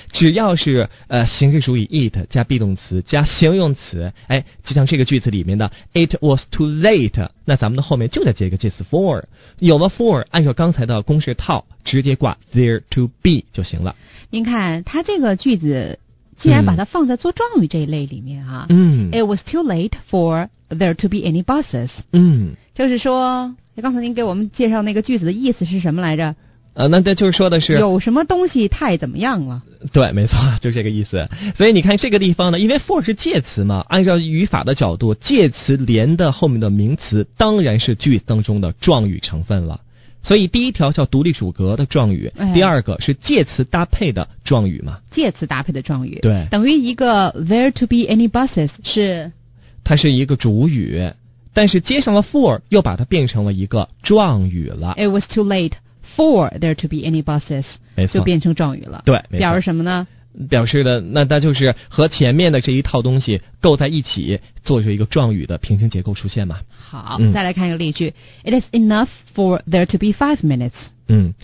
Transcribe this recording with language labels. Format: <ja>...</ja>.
<zh>只要是形式主语 it 加 be 动词加形容词，哎，就像这个句子里面的</zh> <en>it was too late。</en> <zh>那咱们的后面就得接一个介词 for， 有了 for， 按照刚才的公式套，直接挂 there to be 就行了。您看，它这个句子既然把它放在做状语这一类里面啊，嗯</zh> <en>，it was too late for there to be any buses，嗯，</en> <zh>就是说，刚才您给我们介绍那个句子的意思是什么来着？那这就是说的是有什么东西太怎么样了？对，没错，就是这个意思。所以你看这个地方呢，因为 for 是介词嘛，按照语法的角度，介词连的后面的名词当然是句子当中的状语成分了。所以第一条叫独立主格的状语，哎，第二个是介词搭配的状语嘛。介词搭配的状语，对，等于一个</zh> <en>there to be any buses 是，</en> <zh>它是一个主语，但是接上了 for 又把它变成了一个状语了。</zh> <en>It was too late for there to be any buses。</en> <zh>就变成状语了。对，表示什么呢？表示的那它就是和前面的这一套东西构在一起，做出一个状语的平行结构出现嘛。好，再来看一个例句。</zh> <en>It is enough for there to be 5 minutes。</en>